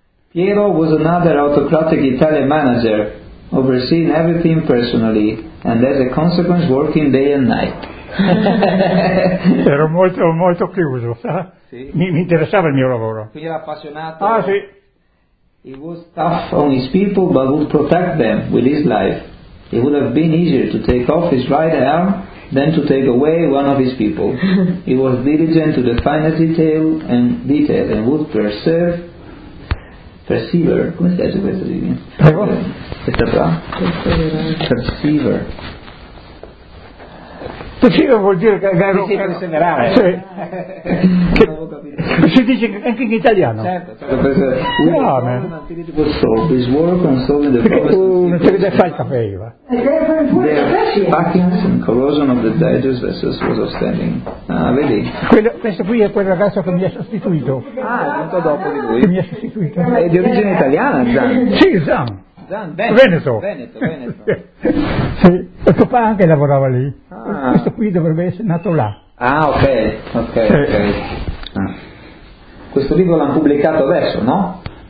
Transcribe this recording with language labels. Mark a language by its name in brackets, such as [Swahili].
[English] Piero was another autocratic Italian manager, overseeing everything personally and as a consequence working day and night. [Italian] Ero molto molto chiuso, mi interessava il mio lavoro. Quindi era appassionato. Ah sì. [English] He was tough on his people but would protect them with his life. It would have been easier to take off his right arm than to take away one of his people. He was diligent to the finest detail and would persevere. [Italian] Come si dice questo? Prego. [English] Persevere. [Italian] Persevere vuol dire che è perseverare. Sì. Si dice anche in italiano. [English] Certo. His work on solving the [Italian] problems. Perché tu non fai il caffè, [English] Eva. The packings and corrosion of the digest vessels was outstanding. [Italian] Ah, vedi? Questo qui è quel ragazzo che mi ha sostituito. Ah, molto dopo di lui. Che mi ha sostituito. È di origine italiana, Zan. Sì, Zan. Veneto. Sì, il papà anche lavorava lì. Ah. Questo qui dovrebbe essere nato là. Ah, ok. Sì. Ah. Questo libro l'hanno pubblicato adesso, no?